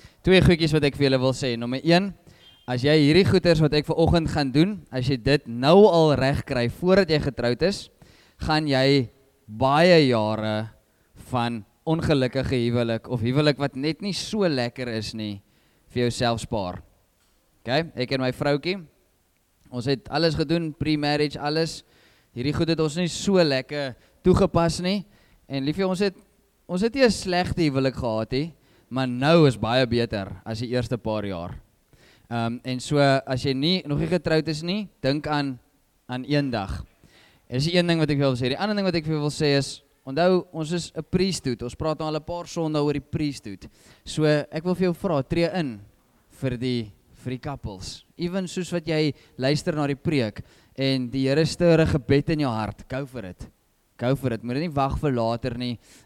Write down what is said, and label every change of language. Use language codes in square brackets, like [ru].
[af] Twee goedjies wat ek vir julle wil sê. Nommer 1, as jy hierdie goeders wat ek vanoggend gaan doen, as jy dit nou al reg kry voordat jy getroud is, gaan jy baie jare van ongelukkige huwelik of huwelik wat net nie so lekker is nie, vir jouself spaar. Okay, ek en my vroukie, ons het alles gedoen, pre-marriage, alles. Hierdie goed het ons nie so lekker toegepas nie. En liefie, ons het nie 'n slegte huwelik gehad nie, maar nou is baie beter as die eerste paar jaar. En so, as jy nie nog nie getroud is nie, dink aan een dag. Dit is die een ding wat ek wil sê. Die ander ding wat ek wil sê is, onthou, ons is 'n priesthood. Ons praat nou al 'n paar sonde oor die priesthood. So, ek wil vir jou vra, tree in vir die couples. Even soos wat jy luister na die preek en die Here stuur 'n gebed in jou hart. [en] Go for it. Moet dit nie wag vir later nie.